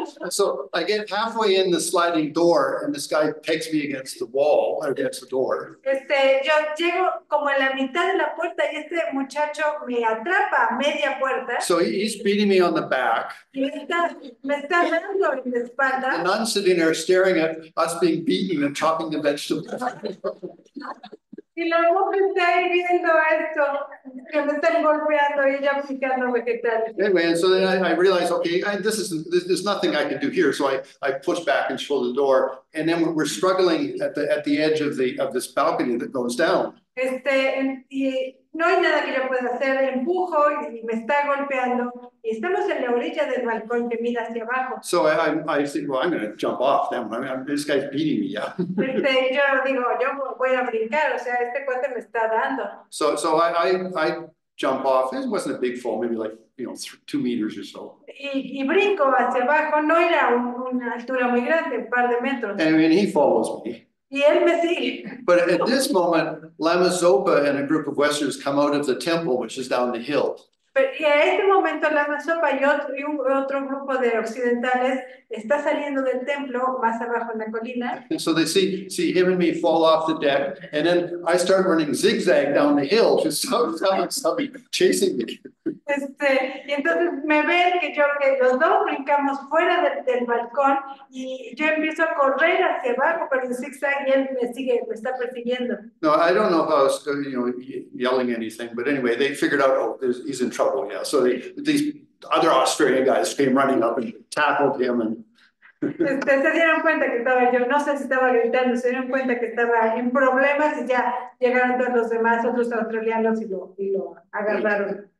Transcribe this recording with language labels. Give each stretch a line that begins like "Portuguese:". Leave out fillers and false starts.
English: So I get halfway in the sliding door, and this guy pegs me against the wall, or against the door.
Spanish: Yo llego como a la mitad de la puerta, y este muchacho me atrapa a media puerta.
English: So he's beating me on the back.
Spanish: Me está dando en la espalda.
English: And I'm sitting there staring at us being beaten and chopping the vegetables.
Spanish: Y la mujer está ahí viendo esto, que me están golpeando y ella picando vegetales.
English: Anyway, so then I realized, okay, there's nothing I can do here. So I push back and shut the door. And then we're struggling at the edge of this balcony that goes down.
Spanish: No hay nada que yo pueda hacer. Empujo y me está golpeando. Y estamos en la orilla del balcón que mira hacia abajo.
English: So I think, well, I'm going to jump off then. I mean, this guy's beating me, yeah.
Spanish: Yo digo, yo voy a brincar. O sea, este cuate me está dando.
English: So I jump off. It wasn't a big fall. Maybe like, you know, 2 meters or so.
Spanish: Y brinco hacia abajo. No era una altura muy grande, un par de metros.
English: And I mean, he follows me.
Spanish: Y él me sigue.
English: But at this moment, Lama Zopa and a group of Westerners come out of the temple, which is down the hill.
Spanish: Pero y a este momento Lama Zopa y otro grupo de occidentales está saliendo del templo más abajo en la colina.
English: And so they see him and me fall off the deck, and then I start running zigzag down the hill, just somebody chasing me.
Spanish: Y entonces me ven que los dos brincamos fuera del balcón y yo empiezo a correr hacia abajo, pero en zigzag y él me está persiguiendo.
English: No, I don't know if I was, you know, yelling anything, but anyway, they figured out, oh, he's in trouble, yeah. So these other Australian guys came running up and tackled him. And
Spanish: se dieron cuenta que estaba yo, no sé si estaba gritando, se dieron cuenta que estaba en problemas y ya llegaron todos los demás, otros australianos y lo agarraron.